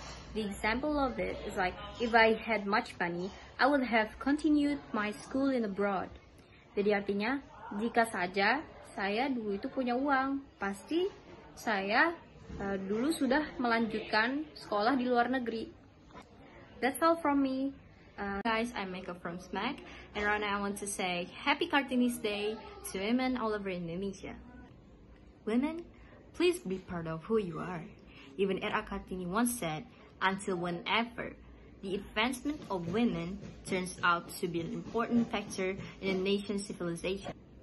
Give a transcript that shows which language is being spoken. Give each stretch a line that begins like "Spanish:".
English: The example of it is like, if I had much money, I would have continued my school in abroad.
Indonesian: Jadi artinya, jika saja saya dulu itu punya uang, pasti saya dulu sudah melanjutkan sekolah di luar negeri.
English: That's all from me. Guys, I'm Mecca from SMEC, and right now I want to say Happy Kartini's Day to women all over Indonesia. Women, please be proud of who you are. Even Era Kartini once said, until whenever the advancement of women turns out to be an important factor in a nation's civilization.